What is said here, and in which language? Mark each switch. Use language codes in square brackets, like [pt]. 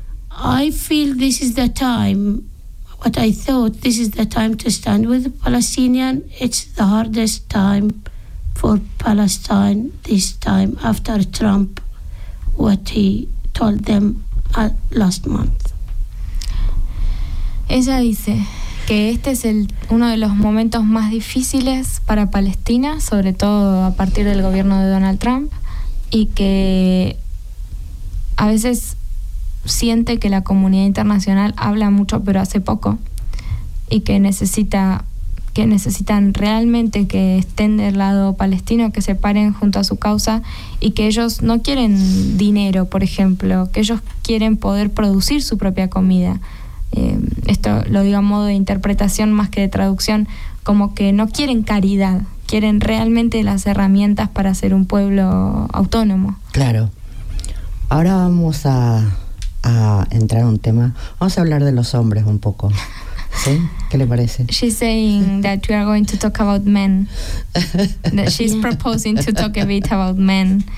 [en] I feel this is the time, what I thought, this is the time to stand with the Palestinian. It's the hardest time for Palestine this time after Trump, what he told them last month. [es] Ella dice que este es uno de los momentos más difíciles para Palestina, sobre todo a partir del gobierno de Donald Trump, y que a veces siente que la comunidad internacional habla mucho pero hace poco, y que necesitan realmente que estén del lado palestino, que se paren junto a su causa, y que ellos no quieren dinero, por ejemplo, que ellos quieren poder producir su propia comida. Esto lo digo a modo de interpretación más que de traducción, como que no quieren caridad, quieren realmente las herramientas para ser un pueblo autónomo. Claro. Ahora vamos a entrar en un tema. Vamos a hablar de los hombres un poco. ¿Sí? ¿Qué le parece? [en] She's saying that we are going to talk about men. That she's proposing to talk a bit about men.